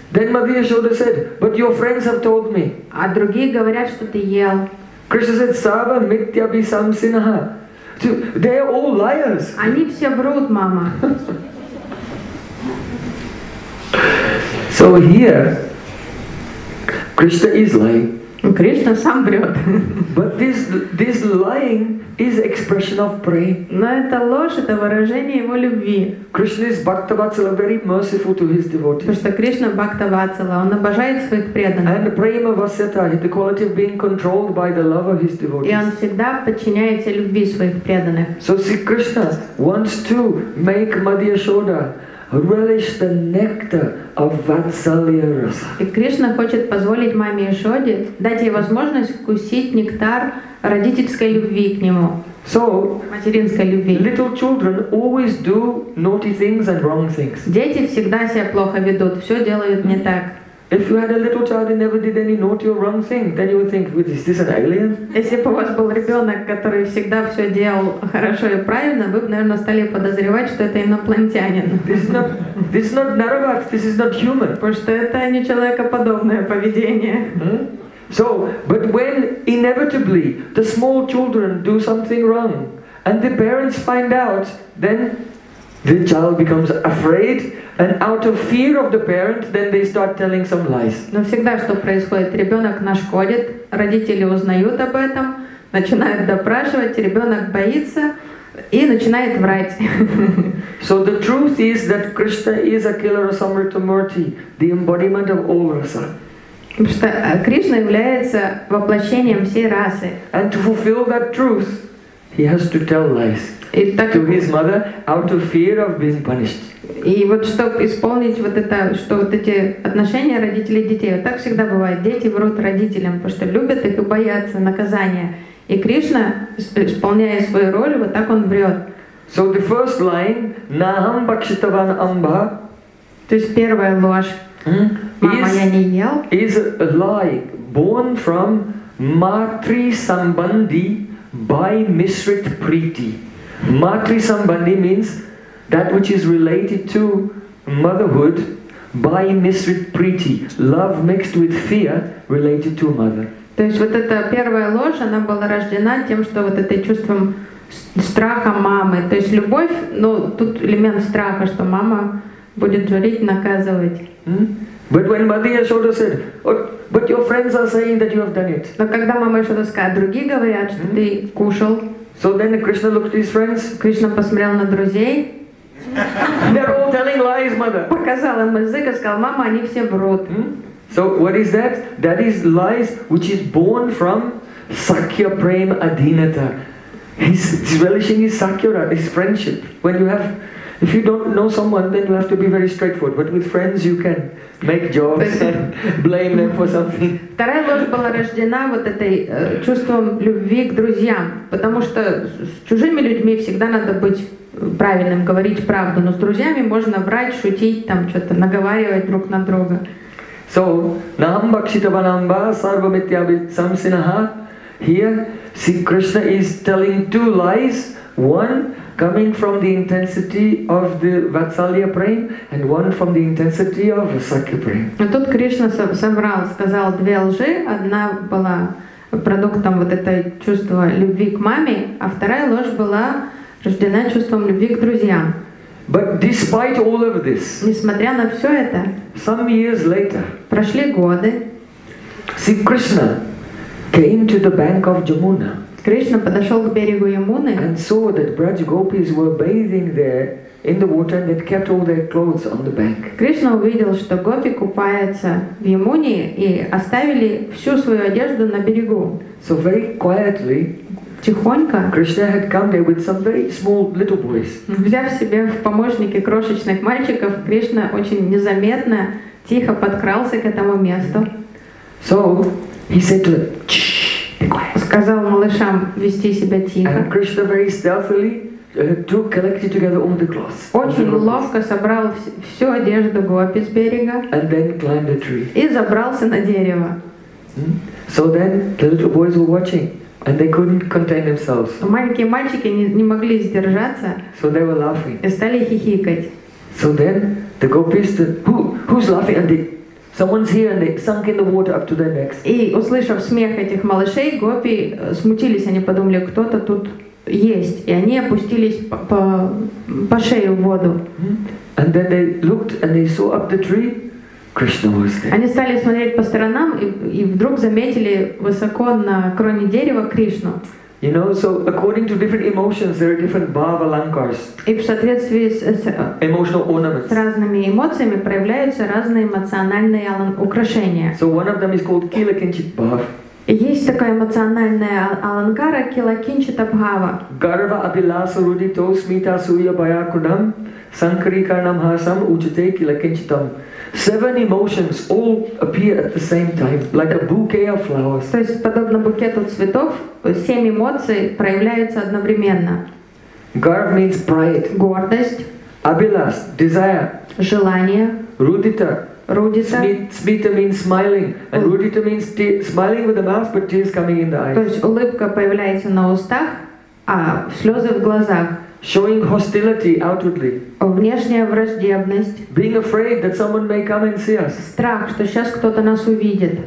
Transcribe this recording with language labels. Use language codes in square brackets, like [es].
[en] Then Mother Yashoda said, "But your friends have told me." [ru] А другие говорят, что ты ел. [en] Krishna said, [sa] "Sarva mitya bi samsinaha." [en] They are all liars. [ru] Они все врут, мама. [en] So here, Krishna is lying. [ru] Кришна сам врет. [en] But this lying is expression of prayer. [ru] Но это ложь, это выражение его любви. [en] Krishna is Bhakta Vatsala, very merciful to his devotees. [ru] Потому что Кришна Бхакта Ватсала, он обожает своих преданных. [en] And prema vasata, the quality of being controlled by the love of his devotees. [ru] И он всегда подчиняется любви своих преданных. [en] So see, Krishna wants to make Madhya Shoda relish the nectar of Vatsalya Rasa. [ru] И Кришна хочет позволить маме Ишоде дать ей возможность вкусить нектар родительской любви к нему. [en] So, [ru] материнской любви. [en] Little children always do naughty things and wrong things. [ru] Дети всегда себя плохо ведут, все делают не так. [en] If you had a little child who never did any naughty or wrong thing, then you would think, is this an alien? [ru] Если бы у вас был ребенок, который всегда все делал хорошо и правильно, вы бы, наверное, стали подозревать, что это инопланетянин. [en] This is not Narabat, this is not human. [ru] Потому что это не человекоподобное поведение. [en] So, but when inevitably the small children do something wrong and the parents find out, then the child becomes afraid, and out of fear of the parent, then they start telling some lies. [ru] Но всегда что происходит? Ребенок нашкодит, родители узнают об этом, начинают допрашивать, ребенок боится и начинает врать. [en] So the truth is that Krishna is Akila Rasamritamurti, the embodiment of all rasa. [ru] Потому что Кришна является воплощением всей расы. [en] And to fulfill that truth, he has to tell lies. [ru] И так, [en] to his mother, out of fear of being punished. [ru] И вот чтобы исполнить вот это, что вот эти отношения родителей и детей, вот так всегда бывает, дети врут родителям, потому что любят их и боятся наказания. И Кришна, исполняя свою роль, вот так он врет. [en] So the first line, [sa] Naham Bakshitavan Amba. [ru] То есть первая ложь. Мама, я не ел. [en] Is a lie born from Matri Sambandhi by Misrit Priti. Matri Sambandhi means that which is related to motherhood by misrit priti, love mixed with fear related to mother. [ru] То есть вот эта первая ложь, она была рождена тем, что вот это чувством страха мамы. То есть любовь, но тут элемент страха, что мама будет жалеть, наказывать. [en] But when Mother Yashoda said, oh, but your friends are saying that you have done it. [ru] Но когда мама Yashoda сказала, другие говорят, что ты кушал. [en] So then Krishna looked at his friends. [ru] Кришна посмотрел на друзей. [en] They're all telling lies, mother. [ru] Показал им язык и сказал, мама, они все врут. [en] So what is that? That is lies which is born from Sakya Prem Adhinata. He's relishing his Sakya, his friendship. When you have, if you don't know someone, then you have to be very straightforward. But with friends you can make jokes and blame them for something. [ru] Вторая ложь была рождена вот этой чувством любви к друзьям. Потому что с чужими людьми всегда надо быть правильным, говорить правду, но с друзьями можно врать, шутить, там что-то наговаривать друг на друга. [sa] So, Naham Bakshitavanamba Sarva Mityabhi Samsinaha. [en] Here, see, Krishna is telling two lies. One coming from the intensity of the Vatsalya Prem and one from the intensity of Sakya Prem. [ru] Но тут Кришна соврал, сказал две лжи. Одна была продуктом вот этой чувства любви к маме, а вторая ложь была рождена чувством любви к друзьям. [en] But despite all of this, [ru] несмотря на все это, [en] some years later, [ru] прошли годы, [en] see, Krishna came to the bank of Jamuna. [ru] Кришна подошел к берегу Ямуны. [en] And saw that Braj gopis were bathing there in the water and they kept all their clothes on the bank. [ru] Кришна увидел, что гопи купаются в Ямуне и оставили всю свою одежду на берегу. [en] So very quietly. [ru] Тихонько. [en] Krishna had come there with some very small little boys. [ru] Взяв себе в помощники крошечных мальчиков, Кришна очень незаметно тихо подкрался к этому месту. [en] So he said to them, "Shh, be quiet." [ru] Сказал малышам вести себя тихо. [en] And Krishna very stealthily collected together all the clothes. [ru] Очень ловко собрал всю одежду гопи с берега. [en] And then climbed a tree. [ru] И забрался на дерево. [en] So then the little boys were watching. And they couldn't contain themselves. [ru] Маленькие мальчики не могли сдержаться. [en] So they were laughing. [ru] И стали хихикать. [en] So then the gopis said, "Who's laughing?" And someone's here, and they sunk in the water up to their necks. [ru] И услышав смех этих малышей, гопи смутились. Они подумали, кто-то тут есть, и они опустились по шею в воду. [en] And then they looked and they saw up the tree. [ru] Они стали смотреть по сторонам и вдруг заметили высоко на кроне дерева Кришну. [en] You know, so according to different emotions, there are different bhava alankars. [ru] И в соответствии с [en] emotional ornaments. [ru] С разными эмоциями проявляются разные эмоциональные украшения. [en] So one of them is called kilakinchit bhava. [ru] Есть такая эмоциональная аланкара килакинчита бхава. [sa] Garva abhilasa rudito smita suya bayakunam sankrikanam hasam uchite kilakinchitam. [en] Seven emotions all appear at the same time, like a bouquet of flowers. [ru] То есть подобно букету цветов, семь эмоций проявляются одновременно. [en] Garv means pride. [ru] Гордость. [en] Abhilas, desire. [ru] Желание. [sa] Rudita. Rudita. [en] Smita means smiling, and rudita means smiling with the mouth, but tears coming in the eyes. [ru] То есть улыбка появляется на устах, а слезы в глазах. [en] Showing hostility outwardly. [ru] Внешняя враждебность. [en] Being afraid that someone may come and see us. [ru] Страх, что сейчас кто-то нас увидит.